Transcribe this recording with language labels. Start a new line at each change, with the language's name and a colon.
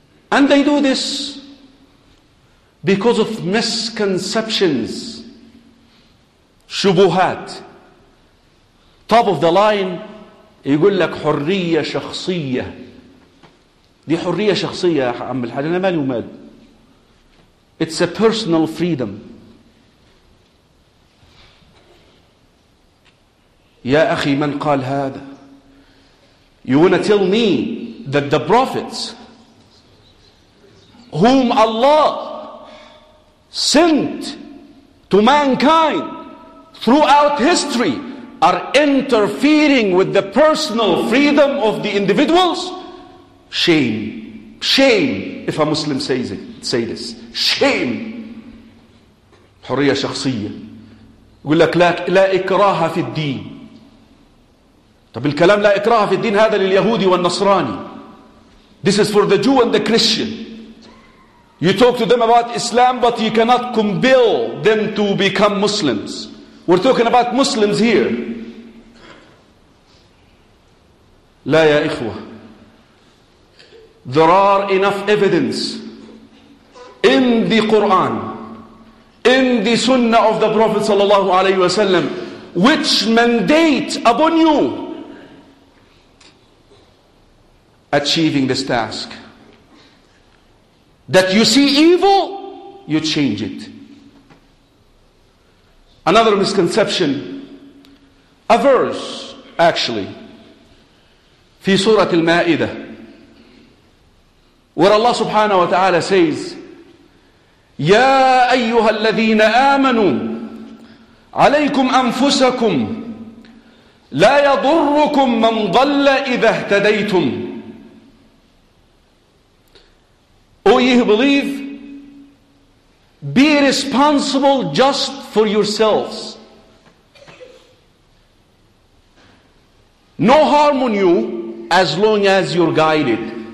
English: And they do this because of misconceptions, shubuhat. Top of the line,
Arabic: يقول لك حرية شخصية. دي حرية شخصية يا عم الحاج, أنا مالي ومال.
English: It's a personal freedom.
Arabic: يا أخي من قال هذا؟
English: You wanna tell me that the prophets whom Allah sent to mankind throughout history are interfering with the personal freedom of the individuals? Shame. Shame if a Muslim says it. Say this. Shame.
Arabic: حرية شخصية. يقول لك لا إكراه في الدين. طب الكلام لا إكراه في الدين هذا لليهودي والنصراني.
English: This is for the Jew and the Christian. You talk to them about Islam, but you cannot compel them to become Muslims. We're talking about Muslims here.
Arabic: لا يا إخوة.
English: There are enough evidence in the Quran, in the Sunnah of the Prophet sallallahu alaihi wasallam, which mandate upon you achieving this task. That you see evil, you change it. Another misconception, a verse actually,
Arabic: في سورة المائدة,
English: where Allah subhanahu wa ta'ala says,
Arabic: يا أيها الذين آمنوا عليكم أنفسكم لا يضركم من ضل إذا اهتديتم.
English: O ye who believe, be responsible just for yourselves. No harm on you as long as you're guided.